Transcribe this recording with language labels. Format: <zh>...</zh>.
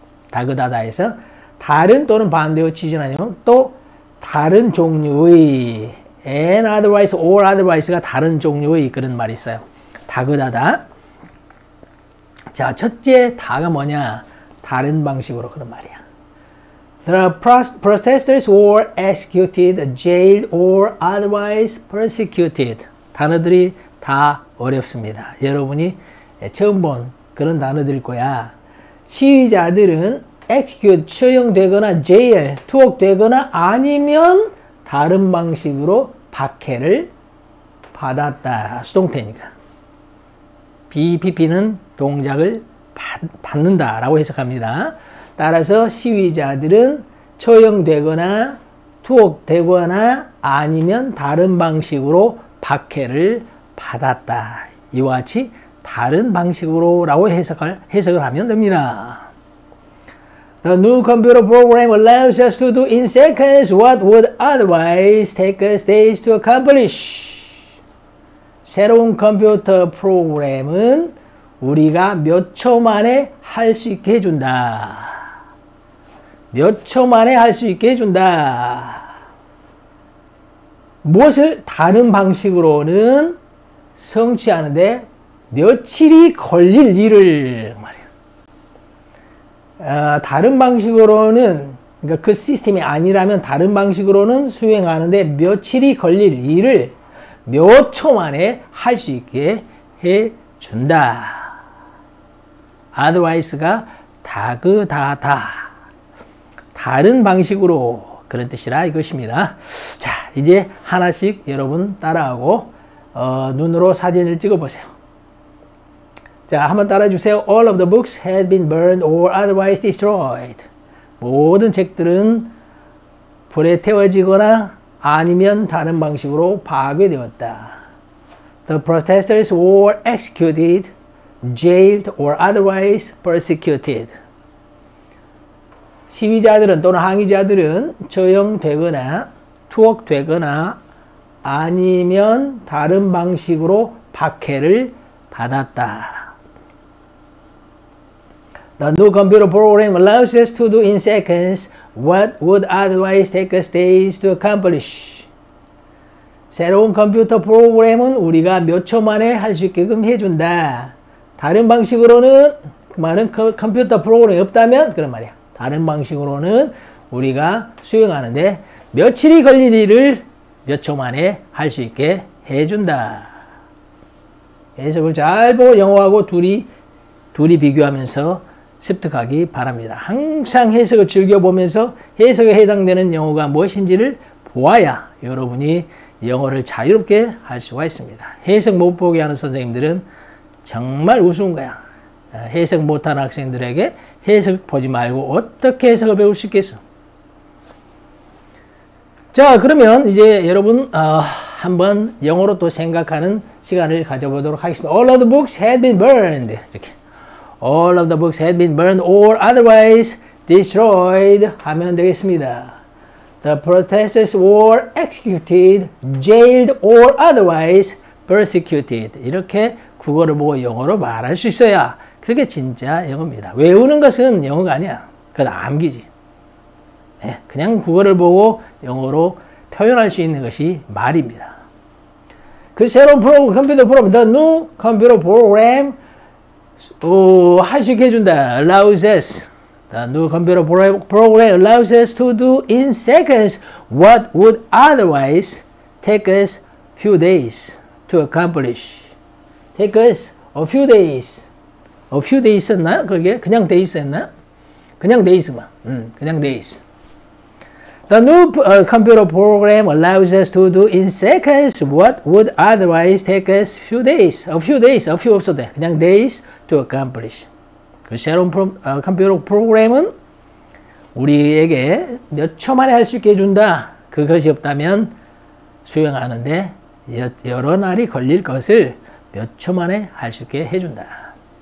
<ko>다그다다에서 다른 또는 반대의 취지나 내용 또 다른 종류의</ko> <en>and otherwise or otherwise</en> <ko>가 다른 종류의 그런 말이 있어요. 다그다다. 자, 첫째 다가 뭐냐? 다른 방식으로 그런 말이야.</ko> <en>The protesters were executed, jailed, or otherwise persecuted.</en> <ko>단어들이 다 어렵습니다. 여러분이 처음 본 그런 단어들일 거야. 시위자들은 execute, 처형되거나 jail, 투옥되거나 아니면 다른 방식으로 박해를 받았다. 수동태니까. BPP는 동작을 받는다 라고 해석합니다. 따라서 시위자들은 처형되거나 투옥되거나 아니면 다른 방식으로 박해를 받았다. 이와 같이 다른 방식으로 라고 해석을 하면 됩니다.</ko> <en>The new computer program allows us to do in seconds what would otherwise take us days to accomplish.</en> <ko>새로운 컴퓨터 프로그램은 우리가 몇 초 만에 할 수 있게 해준다. 몇 초 만에 할 수 있게 해준다. 무엇을 다른 방식으로는 성취하는데 며칠이 걸릴 일을 말이야. 다른 방식으로는, 그러니까 그 시스템이 아니라면 다른 방식으로는 수행하는데 며칠이 걸릴 일을 몇 초 만에 할 수 있게 해준다. Otherwise가 다그다다. 다른 방식으로 그런 뜻이라 이것입니다. 자, 이제 하나씩 여러분 따라하고 눈으로 사진을 찍어보세요. 자, 한번 따라해주세요.</ko> <en>All of the books had been burned or otherwise destroyed.</en> <ko>모든 책들은 불에 태워지거나 아니면 다른 방식으로 파괴되었다.</ko> <en>The protesters were executed, jailed, or otherwise persecuted.</en> <ko>시위자들은 또는 항의자들은 처형되거나 투옥되거나 아니면 다른 방식으로 박해를 받았다.</ko> <en>The new computer program allows us to do in seconds what would otherwise take us days to accomplish.</en> <ko>새로운 컴퓨터 프로그램은 우리가 몇 초 만에 할 수 있게끔 해준다. 다른 방식으로는, 많은 컴퓨터 프로그램이 없다면 그런 말이야. 다른 방식으로는 우리가 수행하는데 며칠이 걸릴 일을 몇 초 만에 할 수 있게 해준다. 해석을 잘 보고 영어하고 둘이 비교하면서 습득하기 바랍니다. 항상 해석을 즐겨보면서 해석에 해당되는 영어가 무엇인지를 보아야 여러분이 영어를 자유롭게 할 수가 있습니다. 해석 못 보게 하는 선생님들은 정말 우스운 거야. 해석 못하는 학생들에게 해석 보지 말고 어떻게 해석을 배울 수 있겠어? 자, 그러면 이제 여러분 한번 영어로 또 생각하는 시간을 가져보도록 하겠습니다.</ko> <en>All of the books had been burned.</en> <ko>이렇게.</ko> <en>All of the books had been burned or otherwise destroyed</en> <ko>하면 되겠습니다.</ko> <en>The protesters were executed, jailed, or otherwise persecuted.</en> <ko>이렇게 국어를 보고 영어로 말할 수 있어야 그게 진짜 영어입니다. 외우는 것은 영어가 아니야. 그건 암기지. 그냥 국어를 보고 영어로 표현할 수 있는 것이 말입니다. 그 새로운 프로그램, 컴퓨터 프로그램,</ko> <en>the new computer program</en> <ko>할 수 있게 해준다.</ko> <en>Allows us. The new computer program allows us to do in seconds what would otherwise take us few days to accomplish. Take us a few days. A few days</en> <ko>했나? 그게 그냥 days 했나? 그냥 days만. 그냥 days.</ko> <en>The new computer program allows us to do in seconds what would otherwise take us few days. A few days, a few</en> <ko>없어도 돼. 그냥</ko> <en>days to accomplish.</en> <ko>그 새로운 컴퓨터 프로그램은 우리에게 몇 초 만에 할 수 있게 해준다. 그것이 없다면 수행하는데 여러 날이 걸릴 것을 몇 초 만에 할 수 있게 해준다.</ko>